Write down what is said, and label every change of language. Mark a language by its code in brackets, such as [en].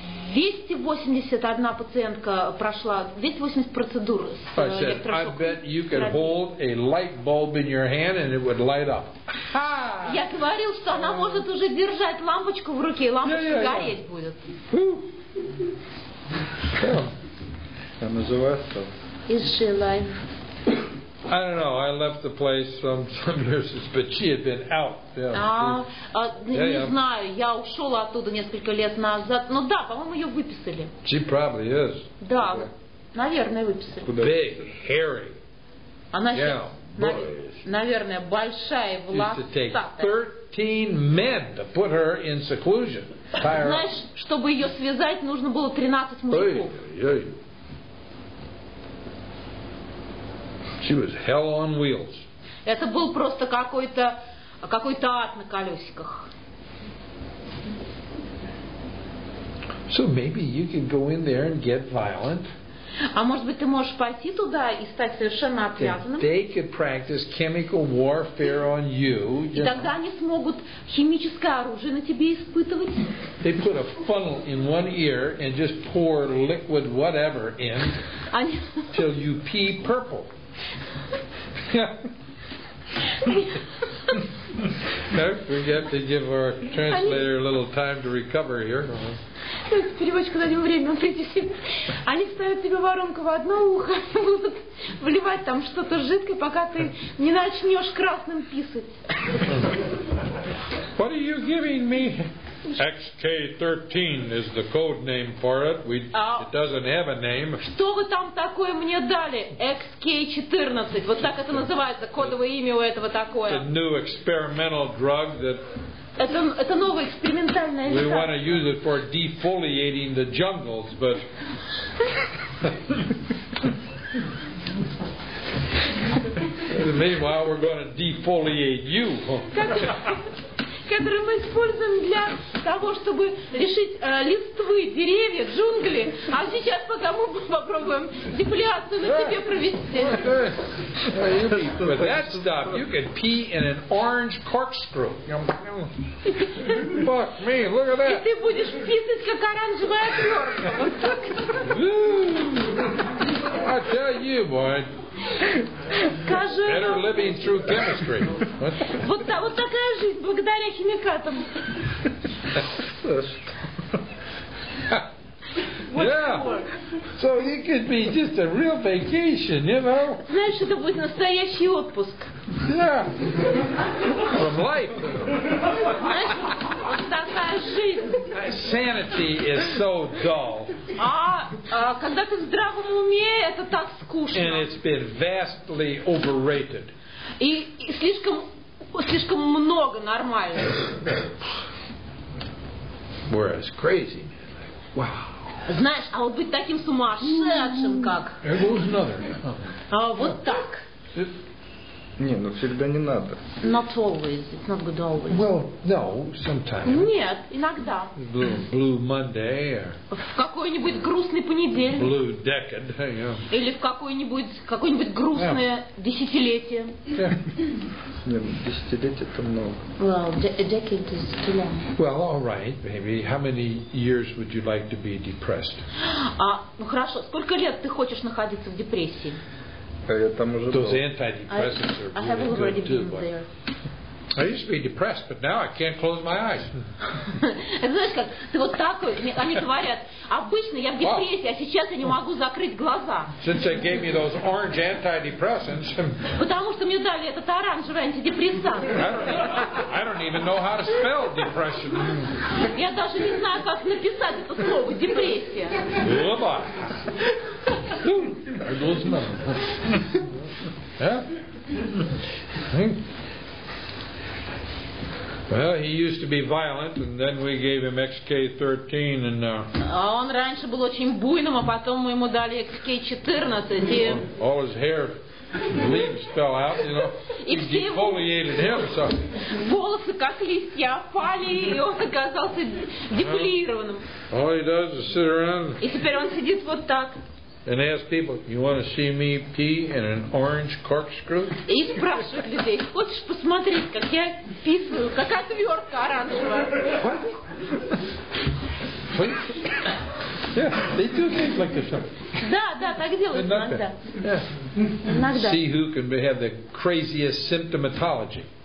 [ru] 281 пациентка прошла 280 процедур с электрошоком. [en] I bet you could hold a light bulb in your hand and it would light up. [ru] Я говорил, что она может уже держать лампочку в руке, и лампочка гореть будет. Я называю это. [en] Is she alive? I don't know. I left the place some years ago, but she had been out. [ru] Знаю. Я ушел оттуда несколько лет назад. Но да, по-моему, ее выписали. [en] She probably is. [ru] Да, okay. Наверное, выписали. [en] Big, hairy. [ru] Она наверное, большая, волосатая. [en] Used to take 13 men to put her in seclusion. [ru] Знаешь, чтобы ее связать, нужно было 13 мужиков. [en] She was hell on wheels. [ru] Это был просто какой-то ад на колесиках. [en] So maybe you can go in there and get violent. [ru] А может быть, ты можешь пойти туда и стать совершенно отвязанным? [en] They could practice chemical warfare on you. [ru] И тогда они смогут химическое оружие на тебе испытывать. [en] They put a funnel in one ear and just pour liquid whatever in till you pee purple. We have to give our translator a little time to recover here. [ru] Переводчику дадим время, он придет. Они ставят тебе воронку в одно ухо, будут вливать там что-то жидкое, пока ты не начнешь красным писать. [en] What are you giving me? XK-13 is the code name for it. It doesn't have a name. [ru] Что вы там такое мне дали? [en] XK-14. [ru] Вот так это называется, кодовое имя у этого такое. [en] The new experimental drug that... [ru] Это новое экспериментальное лекарство. [en] We want to use it for defoliating the jungles, but... Meanwhile, we're going to defoliate you. [ru] Который мы используем для того, чтобы лишить листвы, деревья, джунгли. А сейчас пока мы попробуем дефолиацию на себе провести. [en] With that stuff, you can pee in an orange corkscrew. Fuck me, look at that. [ru] И ты будешь писать, как оранжевая отвертка. [en] I tell you, boy. Better living through chemistry. [ru] Вот такая жизнь благодаря химикатам. [en] Yeah. So it could be just a real vacation, you know. [ru] Знаешь, это будет настоящий отпуск. [en] Yeah. From life. [ru] Знаешь, такая жизнь. [en] Sanity is so dull. [ru] А когда ты в здравом уме, это так скучно. [en] And it's been vastly overrated. [ru] И слишком много нормально. [en] Whereas crazy, man, like, wow. [ru] Знаешь, а вот быть таким сумасшедшим, как... [en] There goes another. [ru] А вот так. Не, ну всегда не надо. [en] Not always. It's not good always. Well, no, sometimes. [ru] Нет, иногда. [en] Blue Monday. Or... [ru] В какой-нибудь грустный понедельник. [en] Blue decade. Yeah. [ru] Или в какое-нибудь грустное yeah. десятилетие. [en] Yeah. [ru] Не, ну, десятилетие это много. [en] Well, a decade is too long. Well, all right, baby. How many years would you like to be depressed? [ru] А, ну хорошо, сколько лет ты хочешь находиться в депрессии? Я там уже Those был. [en] Antidepressants I, are really good, too. I have already been there. I used to be depressed, but now I can't close my eyes. [ru] Знаешь как, ты вот такой, они говорят, обычно я в депрессии, а сейчас я не могу закрыть глаза. [en] Since they gave me those orange antidepressants. [ru] Потому что мне дали этот оранжевый антидепрессант. [en] I don't even know how to spell depression. [ru] Я даже не знаю, как написать это слово, депрессия. [en] Глоба. There goes another. Well, he used to be violent, and then we gave him XK-13, and now. [ru] Он раньше был очень буйным, а потом мы ему дали XK-14. [en] All his hair leaves fell out, you know. [ru] И [en] все defoliated him, so. [ru] Волосы как листья опали, и он оказался дефолированным. [en] All he does is sit around. [ru] И теперь он сидит вот так. [en] And ask people, you want to see me pee in an orange corkscrew? [ru] И спрашивают людей, хочешь посмотреть, как я писаю, как отвертка оранжевая? [en] What? What? Yeah, they do things like [ru] this. Да, так делают иногда. Иногда. [en] See who can have the craziest symptomatology.